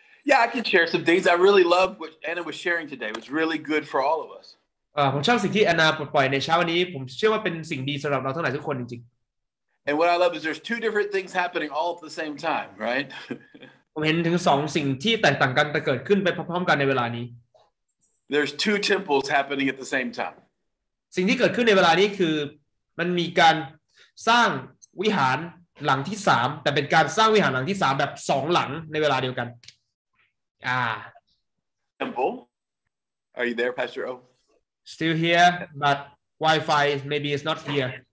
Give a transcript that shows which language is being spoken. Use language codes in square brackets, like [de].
[en] Yeah, I can share some things. I really love what Anna was sharing today. It was really good for all of us. [th] ผมชอบสิ่งที่แอนนาปล่อยในเช้าวันนี้ผมเชื่อว่าเป็นสิ่งดีสำหรับเราทั้งหลายทุกคนจริง [en] ๆ And what I love is there's two different things happening all at the same time, right? [th] ผมเห็นถึงสองสิ่งที่แตกต่างกันแต่เกิดขึ้นไปพร้อมๆกันในเวลานี้ [en] There's two temples happening at the same time. [th] สิ่งที่เกิดขึ้นในเวลานี้คือมันมีการสร้างวิหารหลังที่3แต่เป็นการสร้างวิหารหลังที่3แบบ2หลังในเวลาเดียวกัน [en] Temple? Are you there, Pastor O? Still here, but Wi-Fi maybe is not here.